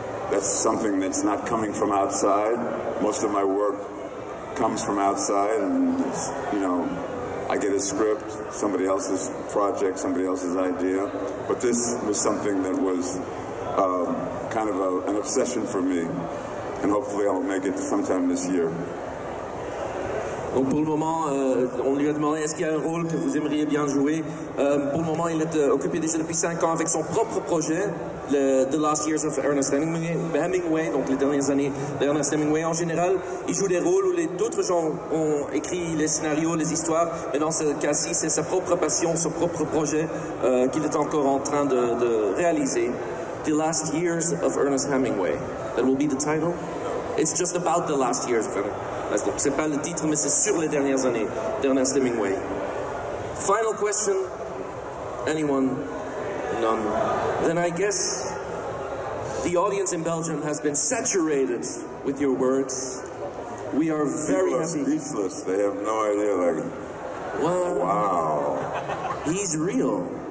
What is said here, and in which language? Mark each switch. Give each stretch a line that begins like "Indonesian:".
English: That's something that's not coming from outside. Most of my work comes from outside, and it's, you know, I get a script, somebody else's project, somebody else's idea. But this was something that was kind of an obsession for me. And hopefully I'll make it sometime this year.
French: Donc pour le moment, on lui a demandé est-ce qu'il y a un rôle que vous aimeriez bien jouer. Pour le moment, il est occupé déjà depuis 5 ans avec son propre projet, The Last Years of Ernest Hemingway, donc les dernières années d'Ernest Hemingway en général. Il joue des rôles où d'autres gens ont écrit les scénarios, les histoires, mais dans ce cas-ci, c'est sa propre passion, son propre projet qu'il est encore en train de réaliser.
English: The Last Years of Ernest Hemingway. That will be the title? It's just about the last years of Ernest.
French: Donc, c'est pas le titre, mais c'est sur les dernières années d'Ernest Hemingway.
English: Final question. Anyone? None. Then I guess the audience in Belgium has been saturated with your words. We are very happy. People are speechless. They have no idea. Like, what? Wow. He's real.